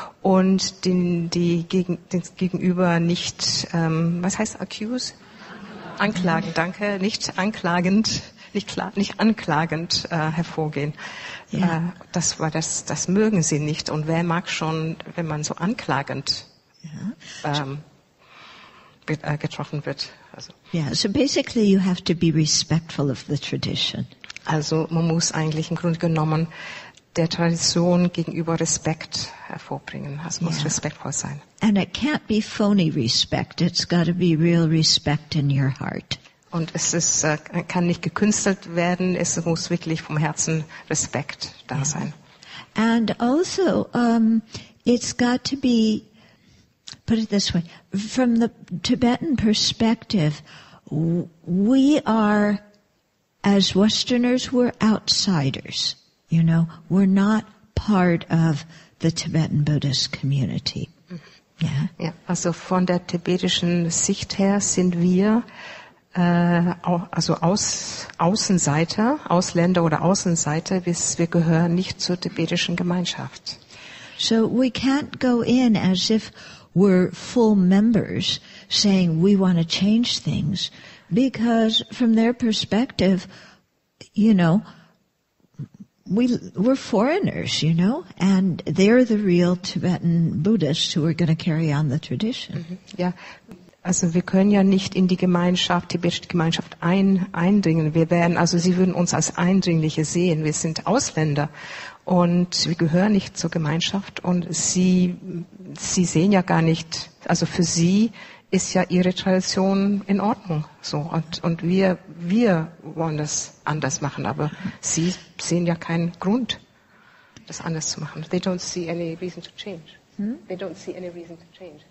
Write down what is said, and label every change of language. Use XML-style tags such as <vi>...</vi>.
<de>Und den Gegenüber nicht, was heißt accuse? Anklagen, danke. Nicht anklagend hervorgehen. Yeah. Das mögen sie nicht. Und wer mag schon, wenn man so anklagend getroffen wird? Also.</de> <en>Yeah, so basically you have to be respectful of the tradition.</en> <de>Also man muss eigentlich im Grunde genommen der Tradition gegenüber Respekt hervorbringen. Es muss respektvoll sein.</de> <en>And it can't be phony respect. It's got to be real respect in your heart.</en> <de>Und es ist, kann nicht gekünstelt werden. Es muss wirklich vom Herzen Respekt da sein.</de> <en>And also, it's got to be, put it this way, from the Tibetan perspective, we are, as Westerners, we're outsiders. You know, we're not part of the Tibetan Buddhist community.</en> <de>Yeah. Ja, also von der tibetischen Sicht her sind wir Ausländer. Wir gehören nicht zur tibetischen Gemeinschaft.</de> <en>So we can't go in as if we're full members saying we want to change things, because from their perspective, you know, we're foreigners, you know, and they're the real Tibetan Buddhists who are going to carry on the tradition. Mm-hmm.</en> <de>Ja, also wir können ja nicht in die Gemeinschaft, tibetische Gemeinschaft eindringen. Sie würden uns als Eindringliche sehen. Wir sind Ausländer und wir gehören nicht zur Gemeinschaft. Und sie sehen ja gar nicht, also für sie ist ja ihre Tradition in Ordnung, so, und wir wollen das anders machen, aber sie sehen ja keinen Grund, das anders zu machen.</de> <en>They don't see any reason to change. Hmm? They don't see any reason to change.</en>